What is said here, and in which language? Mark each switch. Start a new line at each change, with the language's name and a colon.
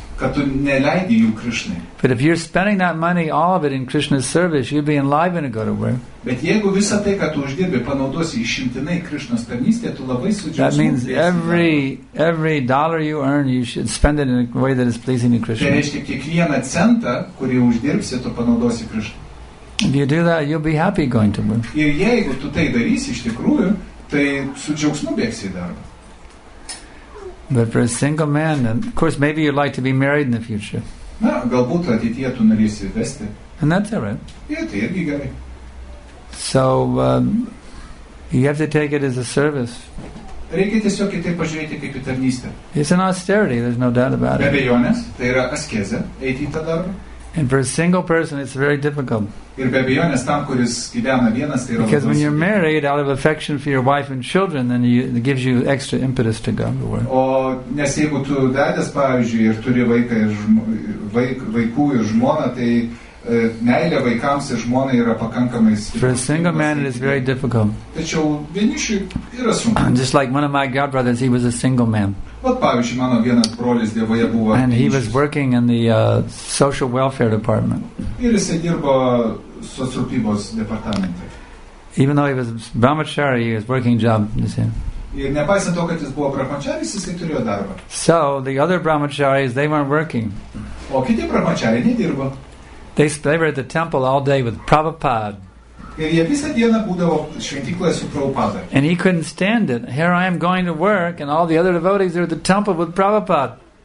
English: But if you're spending that money, all of it in Krishna's service, you'd be enlivened to go to work.
Lithuanian: Bet jeigu visą tai, ką tu uždirbi, panaudosi išimtinai Krishna's tarnystė, tu labai sudžiausiai.
English: That means every dollar you earn, you should spend it in a way that is pleasing to Krishna.
Lithuanian: Tai reiškia, kiekvieną centą, kurį uždirbsi, tu panaudosi Krishna.
English: If you do that, you'll be happy going to work.
Lithuanian: Ir jeigu tu tai darysi iš tikrųjų, tai su džiaugsmu bėgsi į darbą.
English: But for a single man, and of course, maybe you'd like to be married in the future.
Lithuanian: Na, galbūt ateityje tu norėsi vesti.
English: And that's all right.
Lithuanian: Ja, tai irgi gerai.
English: So, you have to take it as a service.
Lithuanian: Reikia tiesiog į tai pažiūrėti kaip į tarnystę.
English: It's an austerity, there's no doubt about it.
Lithuanian: Be abejonės, tai yra askeza, eiti į tą darbą.
English: And for a single person, it's very difficult.
Lithuanian: Ir be abejonės, tam, kuris gyvena vienas, tai yra
English: because when you're married, out of affection for your wife and children, then it gives you extra impetus to go to work.
Lithuanian: O nes jeigu tu vedęs, pavyzdžiui, ir turi vaiką ir vaikų ir žmoną, tai meilė vaikams ir žmona yra pakankamai stipri.
English: For a single man, it is very difficult.
Lithuanian: Tačiau vienišiui yra sunku.
English: Just like one of my godbrothers, he was a single man.
Lithuanian: Ot, pavyzdžiui, mano vienas brolis Dievoje buvo
English: and he was working in the social welfare department.
Lithuanian: Ir jis dirbo socialpybos departamente.
English: Even though he was brahmachari, he was working job, you see.
Lithuanian: Ir nepaisant to, kad jis buvo brahmacharis, jis turėjo darbą.
English: So, the other brahmacharis, they weren't working.
Lithuanian: O kiti brahmachari nedirbo.
English: They were at the temple all day with Prabhupada. And he couldn't stand it. Here I am going to work and all the other devotees are at the temple with Prabhupada.